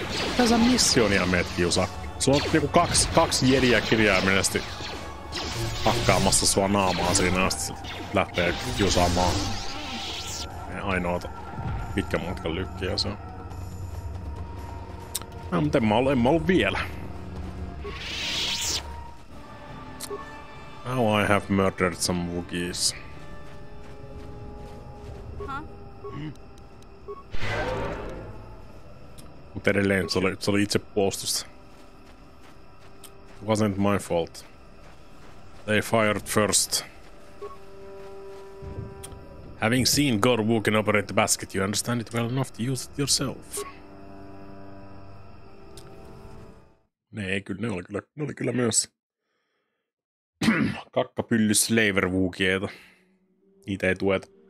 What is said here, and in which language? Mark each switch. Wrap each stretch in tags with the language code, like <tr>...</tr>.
<fi>Mitä sä missionia meet, Kiusa? Sulla on niinku kaksi jediä kirjaimellisesti hakkaamassa sua naamaa siinä asti lähtee kiusaamaan. Meidän ainoata pitkän matkan lykkiä se on. No, mutta en mä ollu vielä.</fi> <en>Now I have murdered some Wookiees.</en> <fi>Mut edelleen, se oli itse puolustusta.</fi> <en>It wasn't my fault. They fired first. Having seen Gorwook and operate the basket, you understand it well enough to use it yourself.</en> <fi>Nee, kyllä ne oli kyllä myös kakkapyllyslaverwookieita. Niitä ei tueta.</fi>